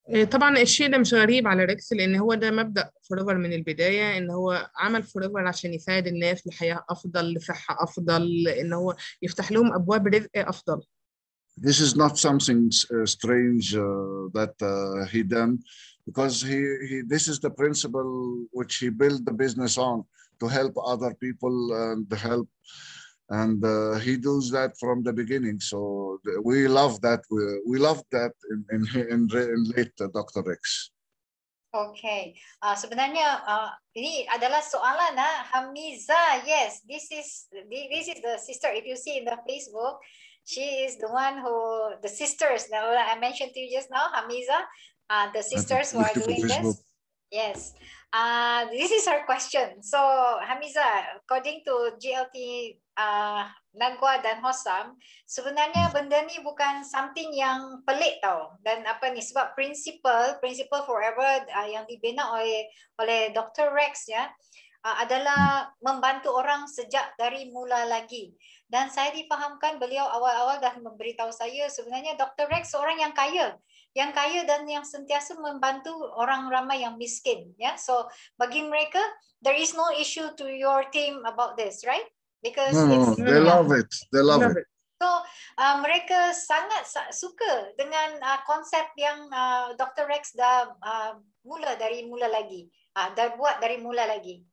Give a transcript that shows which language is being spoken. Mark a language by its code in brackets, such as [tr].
[ar] طبعا الشيء ده مش غريب على ريكس لان هو ده مبدا فوريفر من البدايه ان هو عمل فوريفر عشان يساعد الناس لحياه افضل لصحه افضل ان هو يفتح لهم ابواب رزق افضل. [en] This is not something strange that he done because he this is the principle which he built the business on to help other people and help and he does that from the beginning so we love that in late Dr. Rex. [ms] Okay, sebenarnya ini adalah soalan Hamiza. [en] Yes, this is the sister. If you see in the Facebook, she is the one who the sisters now I mentioned to you just now, Hamiza, the sisters who are doing Facebook. This yes. This is her question. So, Hamiza, according to GLT Nagwa dan Hosam, [ms] sebenarnya benda ni bukan something yang pelik tau. Dan apa ni, sebab principle forever yang dibina oleh Dr. Rex ya, adalah membantu orang sejak dari mula lagi. Dan saya difahamkan beliau awal-awal dah memberitahu saya, sebenarnya Dr. Rex orang yang kaya. Yang kaya dan yang sentiasa membantu orang ramai yang miskin, yeah. [en] So [ms] bagi mereka, [en] there is no issue to your team about this, right? Because they love it. [ms] So mereka sangat suka dengan konsep yang Dr. Rex dah buat dari mula lagi.